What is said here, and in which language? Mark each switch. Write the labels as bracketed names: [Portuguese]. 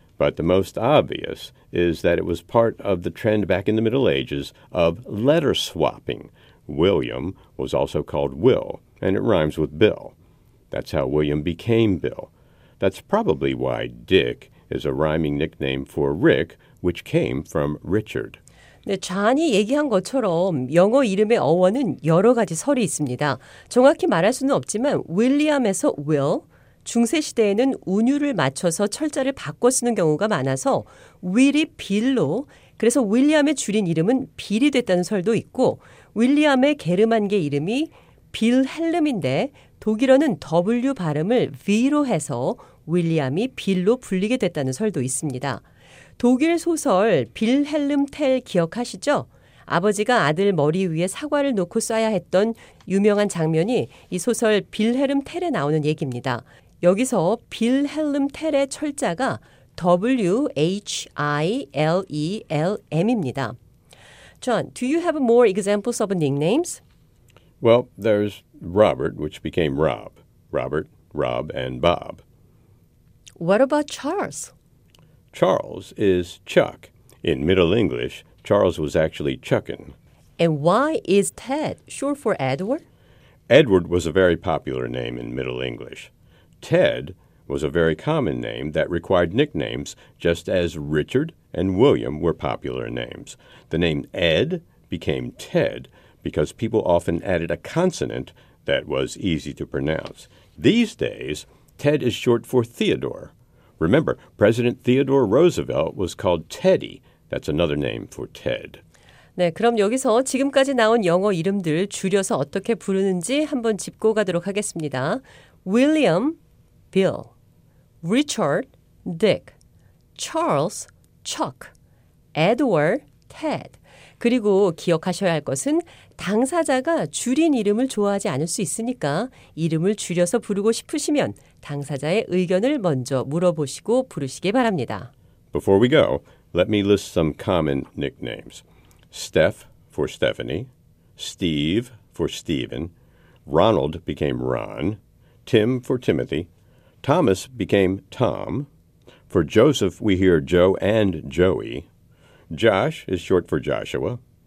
[English] But the most obvious is that it was part of the trend back in the Middle Ages of letter swapping. William was also called Will, and it rhymes with Bill. That's how William became Bill. That's probably why Dick is a rhyming nickname for Rick, which came from Richard. [Korean] 네, 존이 얘기한 것처럼 영어 이름의 어원은 여러 가지 설이 있습니다. 정확히 말할 수는 없지만 William에서 Will, 중세 시대에는 운율을 맞춰서 철자를 바꿔 쓰는 경우가 많아서 윌이 빌로, 그래서 윌리엄의 줄인 이름은 빌이 됐다는 설도 있고 윌리엄의 게르만계 이름이 빌헬름인데 독일어는 W 발음을 V로 해서 윌리엄이 빌로 불리게 됐다는 설도 있습니다. 독일 소설 빌헬름 텔 기억하시죠? 아버지가 아들 머리 위에 사과를 놓고 쏴야 했던 유명한 장면이 이 소설 빌헬름 텔에 나오는 얘기입니다. 여기서 빌헬름 텔의 철자가 W-H-I-L-E-L-M입니다. [English] John, do you have more examples of nicknames? Well, there's Robert, which became Rob. Robert, Rob, and Bob. What about Charles? Charles is Chuck. In Middle English, Charles was actually Chuckin. And why is Ted short for Edward? Edward was a very popular name in Middle English. Ted was a very common name that required nicknames, just as Richard and William were popular names. The name Ed became Ted because people often added a consonant that was easy to pronounce. These days, Ted is short for Theodore. Remember, President Theodore Roosevelt was called Teddy. That's another name for Ted. [Korean] 네, 그럼 여기서 지금까지 나온 영어 이름들 줄여서 어떻게 부르는지 한번 짚고 가도록 하겠습니다. [English] William, Bill, Richard, Dick, Charles, Chuck, Edward, Ted. [Korean] 그리고 기억하셔야 할 것은 당사자가 줄인 이름을 좋아하지 않을 수 있으니까 이름을 줄여서 부르고 싶으시면 당사자의 의견을 먼저 물어보시고 부르시기 바랍니다. [English] Before we go, let me list some common nicknames. Steph for Stephanie, Steve for Stephen, Ronald became Ron, Tim for Timothy, Thomas became Tom. For Joseph, we hear Joe and Joey. Josh is short for Joshua.